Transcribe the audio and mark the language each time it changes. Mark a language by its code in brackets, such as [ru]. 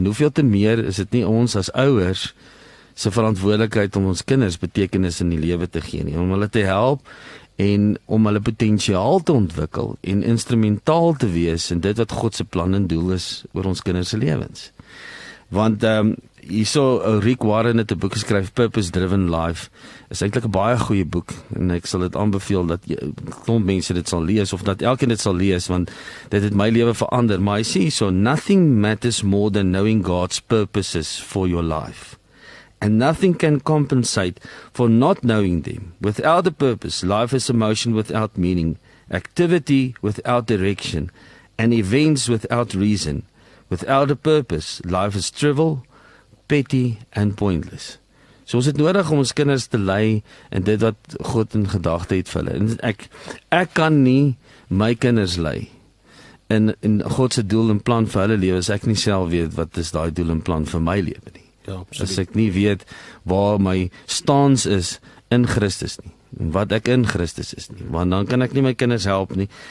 [af] En hoeveel te meer is dit nie ons as ouers se verantwoordelikheid om ons kinders betekenis in die lewe te gee nie, om hulle te help en om hulle potensiaal te ontwikkel en instrumentaal te wees in dit wat God se plan en doel is oor ons kinders se lewens. Want hierso Rick Warren het 'n boek geskryf, Purpose Driven Life, is eintlik 'n baie goeie boek en ek sal dit aanbeveel dat klomp mense dit sal lees of dat elkeen dit sal lees, want dit het my lewe verander. Maar hy sê hierso, [en] nothing matters more than knowing God's purposes for your life. And nothing can compensate for not knowing them. Without a purpose, life is emotion without meaning, activity without direction, and events without reason. Without a purpose, life is trivial, petty, and pointless. [af] So ons het nodig om ons kinders te lei in dit wat God in gedagte het vir hulle. En ek kan nie my kinders lei in God se doel en plan vir hulle lewe, as ek nie self weet wat is daai doel en plan vir my lewe nie. Ja, absoluut. As ek nie weet waar my staans is in Christus nie, wat ek in Christus is nie, want dan kan ek nie my kinders help nie.